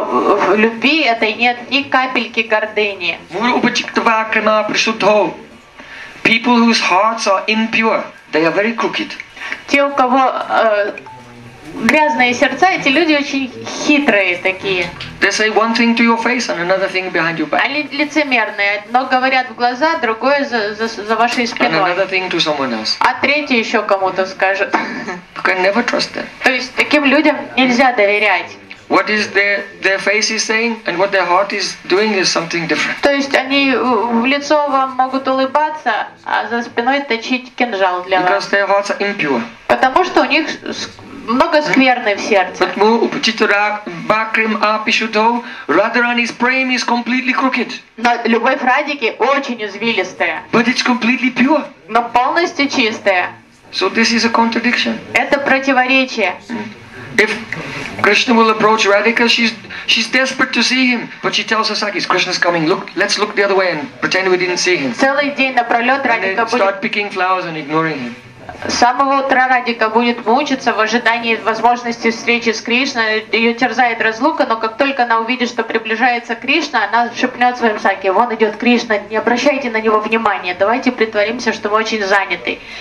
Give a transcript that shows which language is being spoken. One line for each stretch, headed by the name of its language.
Russian: Но в любви этой нет ни капельки гордыни.
Sanskrit: Гуру упачиктва крима пришутхо.
English: People whose hearts are impure. They are very crooked.
Russian: Те, у кого грязные сердца, эти люди очень хитрые такие.
English: They say one thing to your face and another thing behind your back.
Russian: Они лицемерные. Одно говорят в глаза, другое за вашей спиной.
English: And another thing to someone else.
Russian: А третье еще кому-то скажет.
English: You can never trust them.
Russian: То есть таким людям нельзя доверять.
English: What is their face is saying and what their heart is doing is something different.
Russian: То есть они в лицо вам могут улыбаться, а за спиной точить кинжал для вас.
English: Because their hearts are impure.
Russian: Потому что у них много скверны в сердце.
English: But
Sanskrit: мы упачитра бакрим апишуто
English: Радхарани's prema is completely crooked.
Russian: Но любовь Радхики очень извилистая.
English: But it's completely pure.
Russian: Но полностью чистая.
English: So this is a contradiction.
Russian: Это противоречие.
English: If Krishna will approach Radhika, she's desperate to see him, but she tells her sakis, Krishna's coming. Look, let's look the other way and pretend we didn't see him.
Russian: Целый день напролет Радхика будет.
English: Start picking flowers and ignoring him.
Russian: С самого утра Радхика будет мучиться в ожидании возможности встречи с Кришной. Ее терзает разлука, но как только она увидит, что приближается Кришна, она шепнет своим саке, вон идет Кришна, не обращайте на него внимания, давайте притворимся, что мы очень заняты.